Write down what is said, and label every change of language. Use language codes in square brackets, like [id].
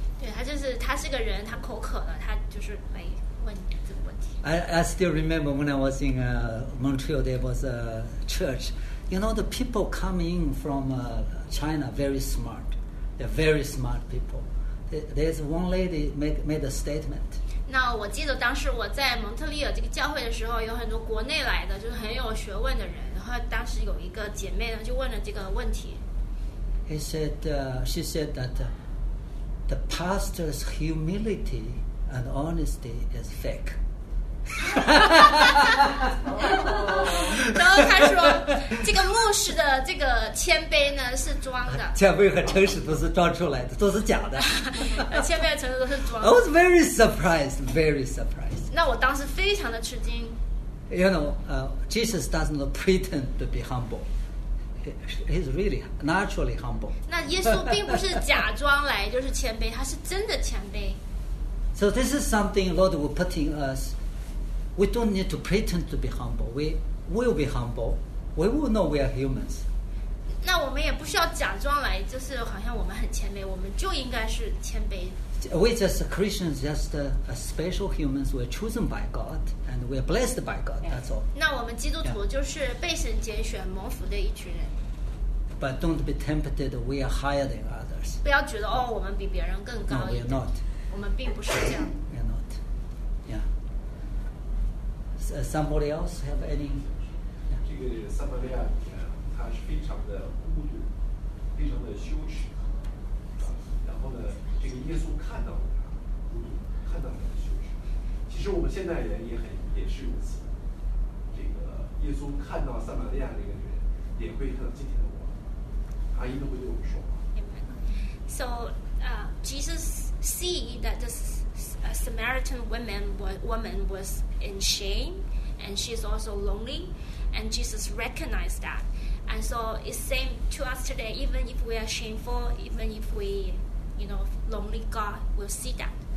[zh] 对，他是个人，他口渴了，他就是来问这个问题。 [en] I still remember when I was in Montreal, there was a church. You know, the people coming from China, very smart. They're very smart people. There's one lady made a statement. [zh] 那我记得当时我在蒙特利尔这个教会的时候，有很多国内来的，就是很有学问的人。然后当时有一个姐妹呢，就问了这个问题。 [en] He said, she said that the pastor's humility and honesty is fake. [zh] 然后他说，这个牧师的这个谦卑呢是装的，谦卑和诚实都是装出来的，都是假的。谦卑和诚实都是装的。 [en] I was very surprised, very surprised. [zh] 那我当时非常的吃惊。 [en] You know, Jesus doesn't pretend to be humble. He's really naturally humble. [zh] 那耶稣并不是假装来就是谦卑，他是真的谦卑。 [en] So this is something Lord will put in us. We don't need to pretend to be humble. We will be humble. We will know we are humans. [zh] 那我们也不需要假装来，就是好像我们很谦卑，我们就应该是谦卑。 [en] We just Christians, just a special humans. We're chosen by God, and we're blessed by God. That's all. [zh] 那我们基督徒就是被神拣选、蒙福的一群人。 [en] But don't be tempted. We are higher than others. [zh] 不要觉得哦，我们比别人更高一点。 [en] No, we're not. [zh] 我们并不是这样。 [en] We're not. Yeah. Somebody else have any? [zh] 这个撒玛利亚女，她是非常的孤独，非常的羞耻，然后呢？这个耶稣看到了他，看到了他的羞耻。其实我们现代人也是如此。这个耶稣看到撒玛利亚这个人，也会看到今天的我。阿姨都会对我们说话。 [en] So, Jesus see that this Samaritan woman was in shame, and she's also lonely, and Jesus recognized that. And so it's same to us today. Even if we are shameful, even if we You know, lonely God will see that.